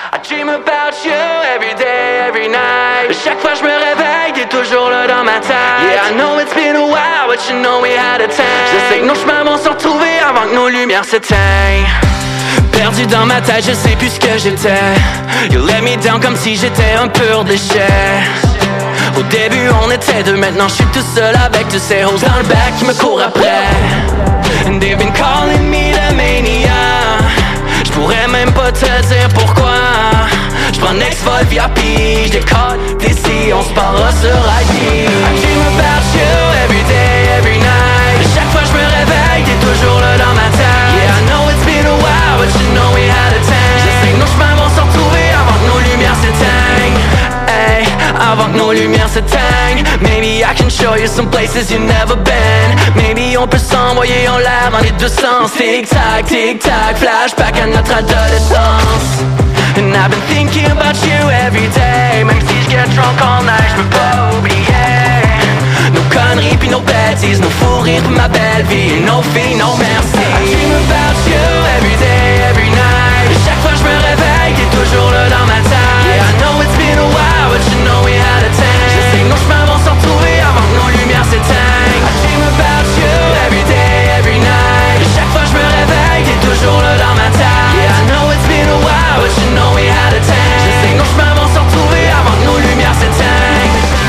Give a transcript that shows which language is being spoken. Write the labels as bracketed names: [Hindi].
[English] I dream about you every day, every night. [French] Chaque fois je me réveille, t'es toujours là dans ma tête. [English] Yeah, I know it's been a while, but you know we had a time. [French] Je sais que nos chemins vont se retrouver avant que nos lumières s'éteignent. Perdu dans ma tête, je sais plus ce que j'étais. [English] You let me down [French] comme si j'étais un pur déchet. Au début on était deux, maintenant je suis tout seul avec tous ces hoes dans le bac qui me courent après. [English] And they've been calling me the mania. [French] Je pourrais même pas te dire pourquoi. Je prends next vol VIP, je décolle d'ici, on se parlera sur IP. [English] I dream about you every day, every night. [French] Et chaque fois je me réveille, t'es toujours là dans ma tête. [English] Yeah, I know it's been a while, but you know we had a time. [French] Je sais que nos chemins vont s'en retrouver avant que nos lumières s'éteignent. Avant que nos lumières s'éteignent. [English] Maybe I can show you some places you've never been. [French] Maybe on peut s'envoyer en l'air dans les deux sens. Tic-tac, tic-tac, flashback à notre adolescence. [English] And I've been thinking about you every day. [French] Même si je [English] get drunk all night, [French] j'peux pas oublier. Nos conneries pis nos bêtises, nos fous rires pis ma belle vie. Et nos filles, non merci. [English] I dream about you every day, every night. [French] Et chaque fois j'me réveille, t'es toujours là dans ma tête. [English] Yeah, I know it's been a while, but you know we had a time. [French] Je sais que nos chemins vont s'en retrouver avant que nos lumières s'éteignent. [English] I dream about you every day, every night. [French] Et chaque fois j'me réveille, t'es toujours là dans ma tête. [English] Yeah, I know it's been a while, but you know we had a time. [French] Je sais que nos chemins vont s'en retrouver avant que nos lumières s'éteignent.